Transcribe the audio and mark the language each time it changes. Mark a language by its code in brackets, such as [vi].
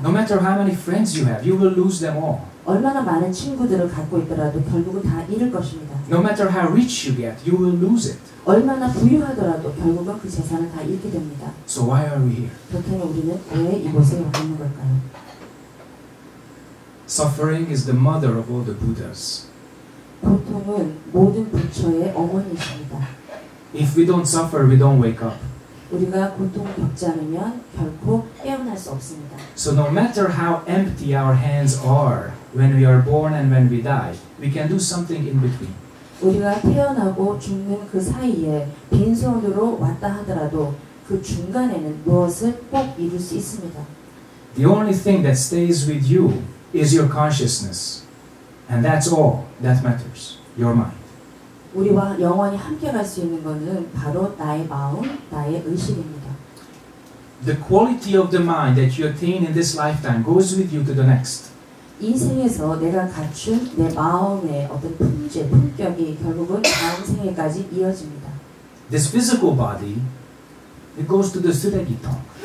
[en] No matter how many friends you have, you will lose them all. [ko] 얼마나 많은 친구들을 갖고 있더라도 결국은 다 잃을 것입니다. [en] No matter how rich you get, you will lose it. [ko] 얼마나 부유하더라도 결국은 그 재산을 다 잃게 됩니다. [en] So why are we here? [ko] 그렇다면 우리는 왜 이곳에 와 있는 걸까요? [en] Suffering is the mother of all the Buddhas. [ko] 고통은 모든 부처의 어머니입니다. [en] If we don't suffer, we don't wake up. [ko] 우리가 고통을 겪지 않으면 결코 깨어날 수 없습니다. [en] So no matter how empty our hands are when we are born and when we die, we can do something in between. [ko] 우리가 태어나고 죽는 그 사이에 빈손으로 왔다 하더라도 그 중간에는 무엇을 꼭 이룰 수 있습니다. [en] The only thing that stays with you is your consciousness. And that's all that matters. Your mind. [ko] 우리와 영원히 함께 갈 수 있는 것은 바로 나의 마음, 나의 의식입니다. [en] The quality of the mind that you attain in this lifetime goes with you to the next. [ko] 이 생에서 내가 갖춘 내 마음의 어떤 품질, 품격이 결국은 다음 생에까지 이어집니다. [en] This physical body, it goes to the 쓰레기통.